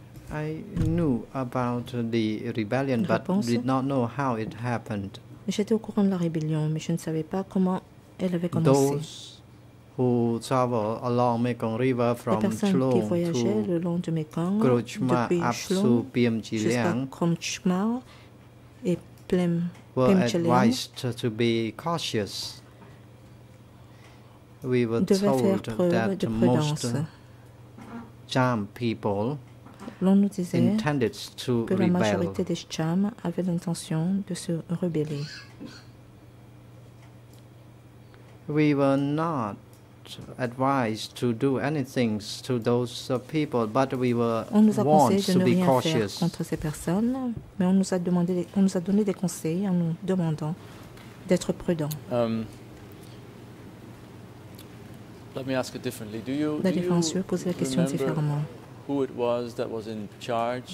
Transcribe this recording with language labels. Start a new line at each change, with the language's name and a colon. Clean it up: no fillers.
English: I knew about the rebellion, but did not know how it happened.
French: J'étais au courant de la rébellion, mais je ne savais pas comment elle avait commencé.
English: Those who travel along Mekong River from Chulong to Krochmar up to Piem Chi Liang were advised to be cautious. We were told that most Cham people
French: l'on nous disait que la majorité des Cham avaient l'intention de se rebeller.
English: We were not advised to do anything to those people, but we were
French: on nous a conseillé de ne rien
English: cautious.
French: Faire contre ces personnes, mais on nous a demandé, on nous a donné des conseils en nous demandant d'être prudents.
English: Let me ask it differently.
French: Je vais poser la question différemment.
English: Who it was that was in charge